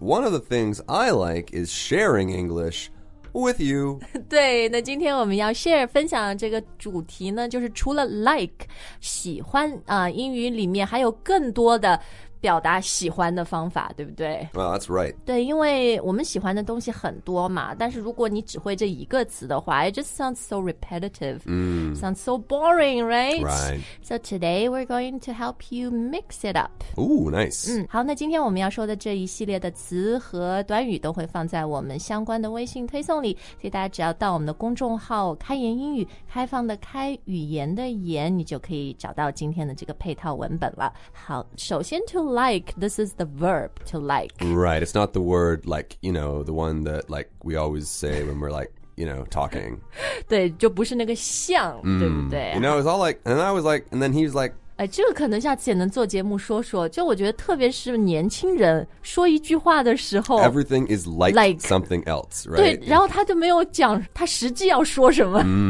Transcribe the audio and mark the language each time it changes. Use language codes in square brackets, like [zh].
[en] One of the things I like is sharing English with you. [zh] 对，那今天我们要 share 分享这个主题呢，就是除了 like 喜欢啊，英语里面还有更多的表达喜欢的方法，对不对？ [en] Well, that's right. [zh] 对，因为我们喜欢的东西很多嘛，但是如果你只会这一个词的话， [en] it just sounds so repetitive. Sounds so boring, right? Right. So today we're going to help you mix it up. Ooh, nice. [zh] 好，那今天我们要说的这一系列的词和短语都会放在我们相关的微信推送里，所以大家只要到我们的公众号开言英语，开放的开，语言的言，你就可以找到今天的这个配套文本了。 [en] 好，首先to like, this is the verb, to like. Right, it's not the word like, you know, the one that like we always say when we're like, you know, talking. [zh] 对，就不是那个像，对不对？ [en] You know, it's all like, and I was like, and then he was like, [zh] 哎，这个可能下次也能做节目说说，就我觉得特别是年轻人说一句话的时候， [en] everything is like something else, right? [zh] 对，然后他就没有讲他实际要说什么。